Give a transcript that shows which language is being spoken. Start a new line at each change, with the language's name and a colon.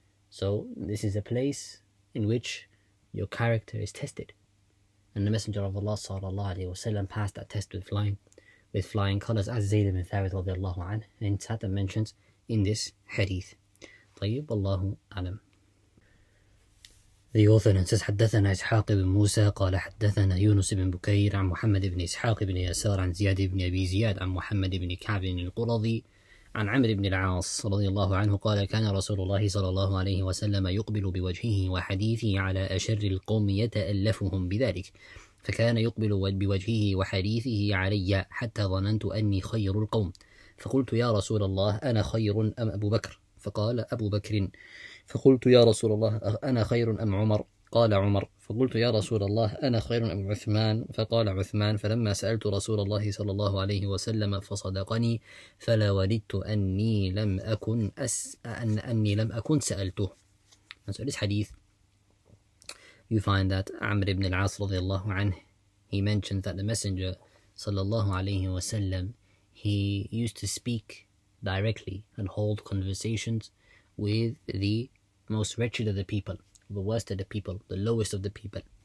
English: So this is a place in which your character is tested. And the Messenger of Allah sallallahu alayhi wa sallam passed that test with flying colours, as Zayd ibn Thabit radiallahu anhu in Tata mentions in this hadith. Tayyib, Allahu alam. The author then says,
Arabic: حدثنا إسحاق بن موسى قال حدثنا يونس بن بكير عن محمد بن إسحاق بن يسار عن زياد بن أبي زياد عن محمد بن كعب بن القرظي عن عمرو بن العاص رضي الله عنه قال كان رسول الله صلى الله عليه وسلم يقبل بوجهه وحديثه على أشر القوم يتألفهم بذلك فكان يقبل بوجهه وحديثه علي حتى ظننت أني خير القوم فقلت يا رسول الله أنا خير أم أبو بكر فقال أبو بكر فقلت يا رسول الله أنا خير أم عمر قال عمر فقلت يا رسول الله أنا خير أم عثمان فقال عثمان فلما سألت رسول الله صلى الله عليه وسلم فصدقني فلا وددت أني لم أكن أني لم أكن سألته.
English: And so this hadith, you find that Amr ibn al-As
Arabic: رضي الله عنه,
English: he mentioned that the Messenger
Arabic: صلى الله عليه وسلم,
English: he used to speak directly and hold conversations with the most wretched of the people, the worst of the people, the lowest of the people.